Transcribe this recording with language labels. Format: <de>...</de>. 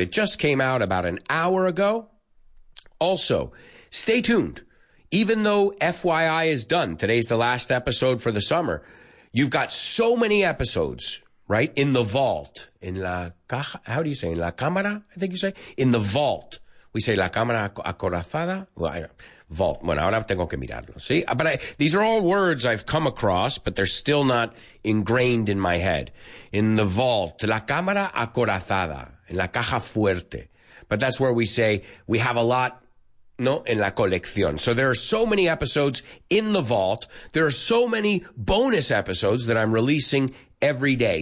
<en>It just came out about an hour ago. Also, stay tuned. Even though FYI is done, today's the last episode for the summer. You've got so many episodes, right, in the vault, in la caja, how do you say, in la cámara, I think you say, in the vault.</en> <es>We say la cámara acorazada, well, I, vault, bueno, ahora tengo que mirarlo, see?</es> <en>But these are all words I've come across, but they're still not ingrained in my head. In the vault,</en> <es>la cámara acorazada, en la caja fuerte.</es> <en>But that's where we say we have a lot.</en> <es>No, en la colección.</es> <en>So there are so many episodes in the vault. There are so many bonus episodes that I'm releasing every day.</en>